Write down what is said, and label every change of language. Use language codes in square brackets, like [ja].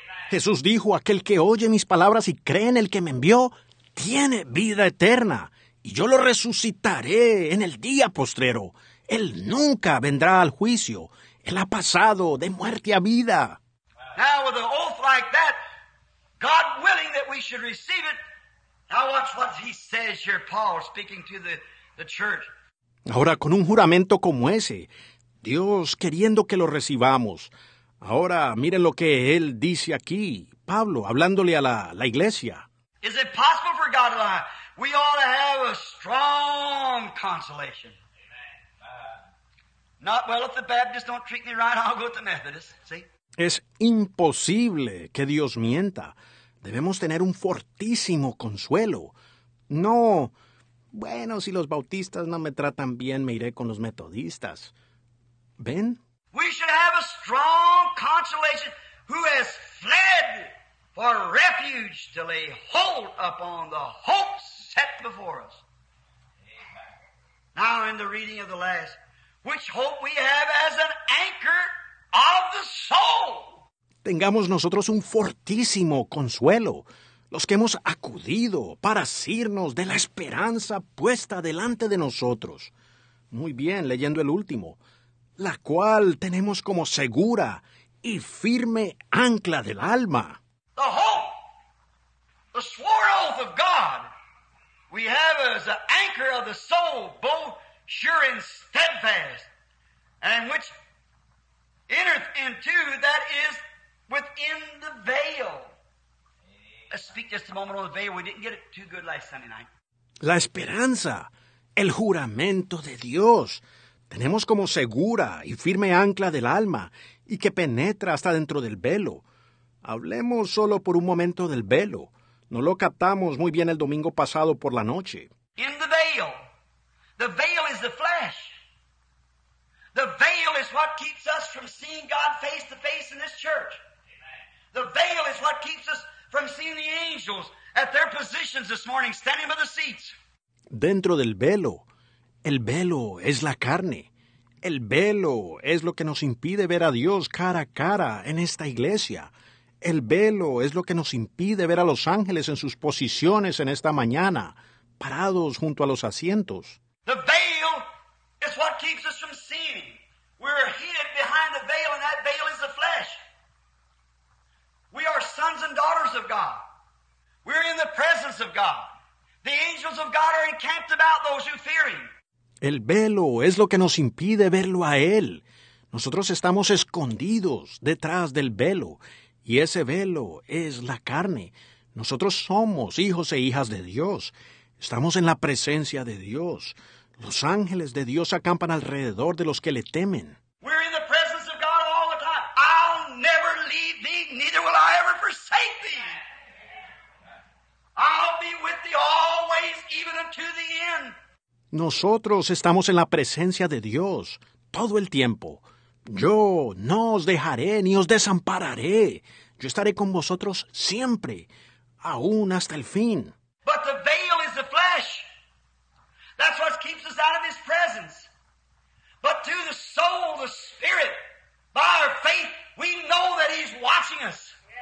[es] Jesús dijo, aquel que oye mis palabras y cree en el que me envió, tiene vida eterna, y yo lo resucitaré en el día postrero. Él nunca vendrá al juicio. Él ha pasado de muerte a vida. [en] Now with an oath like that, God willing that we should receive it. Now watch what he says here, Paul, speaking to the church. [es] Ahora con un juramento como ese, Dios queriendo que lo recibamos. Ahora miren lo que él dice aquí, Pablo, hablándole a la iglesia. [en] Is it possible for God to lie? We ought to have a strong consolation. Not well, if the Baptists don't treat me right, I'll go to the Methodist, see? [es] Es imposible que Dios mienta. Debemos tener un fortísimo consuelo. No, bueno, si los bautistas no me tratan bien, me iré con los metodistas. ¿Ven? [en] We should have a strong consolation who has fled for refuge to lay hold upon the hope set before us. Now in the reading of the last, which hope we have as an anchor of the soul. [es] Tengamos nosotros un fortísimo consuelo, los que hemos acudido para asirnos de la esperanza puesta delante de nosotros. Muy bien, leyendo el último, la cual tenemos como segura y firme ancla del alma. [en] The hope, the sworn oath of God, we have as an anchor of the soul, both sure and steadfast, and which entereth into, that is, within the veil. Let's speak just a moment on the veil. We didn't get it too good last Sunday night. [es] La esperanza, el juramento de Dios, tenemos como segura y firme ancla del alma y que penetra hasta dentro del velo. Hablemos solo por un momento del velo. No lo captamos muy bien el domingo pasado por la noche. [en] In the veil. The veil is the flesh. The veil is what keeps us from seeing God face to face in this church. Amen. The veil is what keeps us from seeing the angels at their positions this morning, standing by the seats. [es] Dentro del velo. El velo es la carne. El velo es lo que nos impide ver a Dios cara a cara en esta iglesia. El velo es lo que nos impide ver a los ángeles en sus posiciones en esta mañana, parados junto a los asientos. [en] The veil is what keeps us from seeing. We're hid behind the veil, and that veil is the flesh. We are sons and daughters of God. We're in the presence of God. The angels of God are encamped about those who fear him. [es] El velo es lo que nos impide verlo a él. Nosotros estamos escondidos detrás del velo. Y ese velo es la carne. Nosotros somos hijos e hijas de Dios. Estamos en la presencia de Dios. Los ángeles de Dios acampan alrededor de los que le temen. [en] We're in the presence of God all the time. I'll never leave thee, neither will I ever forsake thee. I'll be with thee always, even unto the end. [es] Nosotros estamos en la presencia de Dios todo el tiempo. Yo no os dejaré ni os desampararé. Yo estaré con vosotros siempre, aún hasta el fin. [en] But the veil is the flesh. That's what keeps us out of his presence. But to the soul, the spirit, by our faith, we know that he's watching us.